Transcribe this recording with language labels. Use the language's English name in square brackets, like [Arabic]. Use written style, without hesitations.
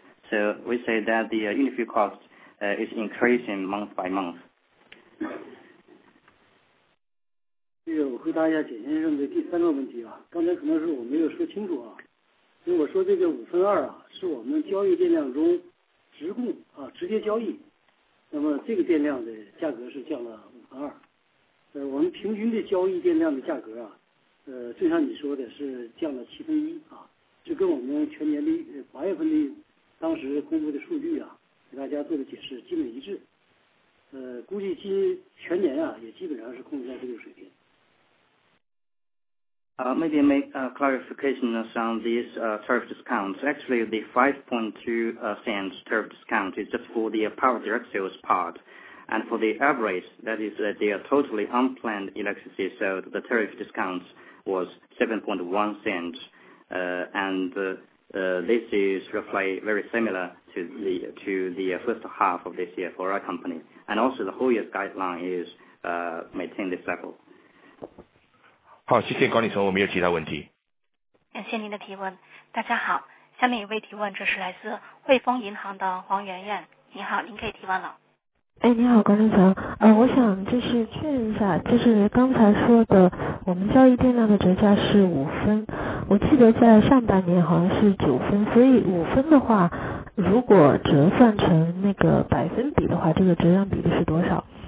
[English] So we say that the unit fuel cost is increasing month by month. [Chinese] 这个我回答一下简先生的第三个问题啊，刚才可能是我没有说清楚啊。所以我说这个五分二啊，是我们交易电量中直供啊直接交易，那么这个电量的价格是降了五分二。我们平均的交易电量的价格啊，就像你说的是降了七分一啊，就跟我们全年的八月份的当时公布的数据啊，给大家做的解释基本一致。估计今全年啊也基本上是控制在这个水平。 [English] Maybe make a clarification on these tariff discounts. Actually, the 5.2 cents tariff discount is just for the power direct sales part. And for the average, that is that they are totally unplanned electricity, so the tariff discount was 7.1 cents. This is roughly very similar to the first half of this year for our company. And also the whole year's guideline is maintain this level. [Chinese] 好，谢谢管理层，我没有其他问题。感谢您的提问。大家好，下面一位提问，这是来自汇丰银行的黄媛媛。您好，您可以提问了。哎，你好，关正强。我想就是确认一下，就是刚才说的，我们交易电量的折价是五分，我记得在上半年好像是九分，所以五分的话，如果折算成那个百分比的话，这个折让比例是多少？